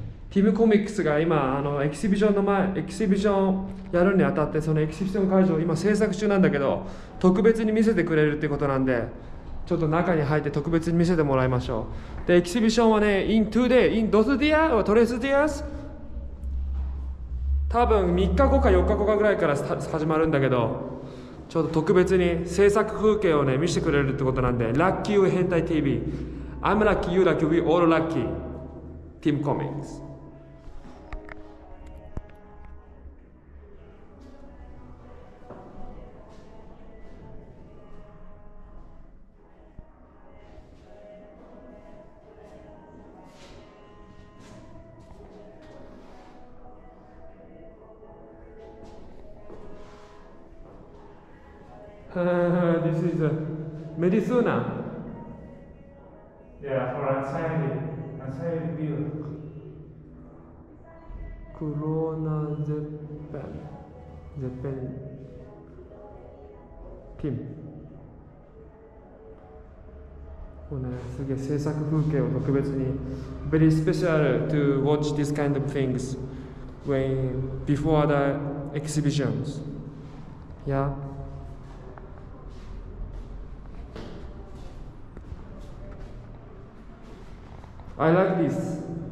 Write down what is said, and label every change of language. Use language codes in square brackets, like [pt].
[ja] ティムコミックスが今あのエキシビションの前、エキシビションやるにあたって、そのエキシビション会場を今制作中なんだけど、特別に見せてくれるってことなんで。ちょっと中に入って特別に見せてもらいましょう。で、エキシビションはね、 [en] in two days, [ja] in [es] dos días or tres días? [ja] 多分3日後か4日後かぐらいから始まるんだけど、ちょっと特別に制作風景をね、見せてくれるってことなんで、ラッキーユー変態 TV。 [en] I'm lucky, you lucky, we all lucky. Tim Comics。 This is a medicine. Yeah, for anxiety. Anxiety pill. Corona Zeppelin. Zeppelin. Tim. [ja] これね、すげえ制作風景を特別に。 [en] Very special to watch this kind of things when before the exhibitions. Yeah. I like this.